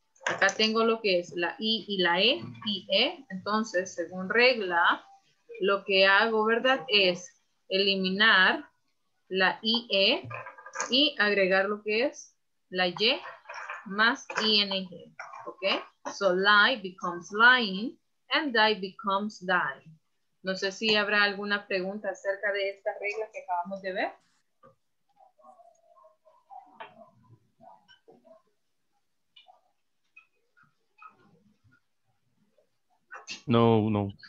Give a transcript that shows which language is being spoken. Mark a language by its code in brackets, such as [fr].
[es] Acá tengo lo que es la I y la E, IE. Entonces, según regla, lo que hago, ¿verdad? Es eliminar la IE y agregar lo que es la Y más ING. ¿Ok? [en] So, lie becomes lying and die becomes dying. [es] No sé si habrá alguna pregunta acerca de estas reglas que acabamos de ver. No, no.